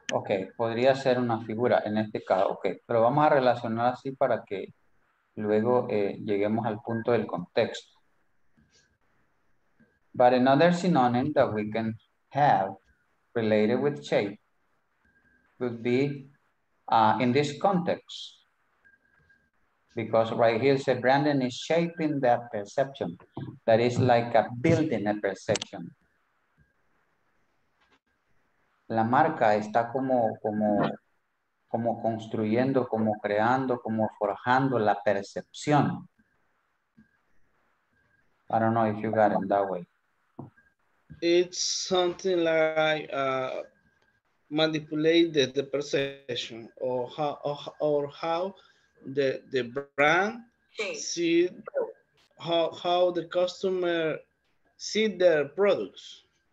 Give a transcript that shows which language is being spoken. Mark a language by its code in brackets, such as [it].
[es] Ok, podría ser una figura en este caso, ok. Pero vamos a relacionar así para que luego lleguemos al punto del contexto. [en] But another synonym that we can have related with shape would be in this context. Because right here said Brandon is shaping that perception. That is like a building a perception. [es] La marca está como construyendo, como creando, como forjando la percepción. [en] I don't know if you got it that way. It's something like manipulated the perception or how the brand see how the customer see their products.